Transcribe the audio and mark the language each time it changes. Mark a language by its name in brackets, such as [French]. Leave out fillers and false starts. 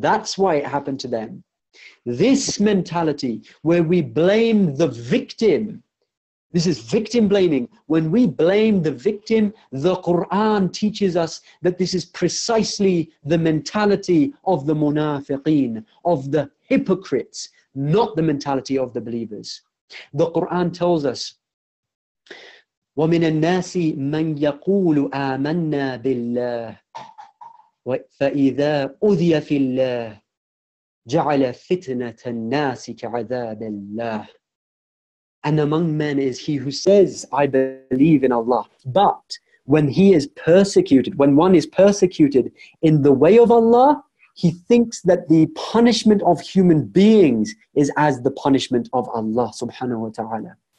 [English] That's why it happened to them. This mentality where we blame the victim, this is victim blaming. When we blame the victim, the Quran teaches us that this is precisely the mentality of the munafiqeen, of the hypocrites, not the mentality of the believers. The Quran tells us, [Arabic] وَمِنَ النَّاسِ مَنْ يَقُولُ آمَنَّا بِاللَّهِ فَإِذَا أُذِيَ فِي اللَّهِ جَعَلَ فِتْنَةَ النَّاسِ كَعَذَابِ اللَّهِ. [English] And among men is he who says, I believe in Allah. But when he is persecuted, when one is persecuted in the way of Allah, he thinks that the punishment of human beings is as the punishment of Allah subhanahu wa ta'ala.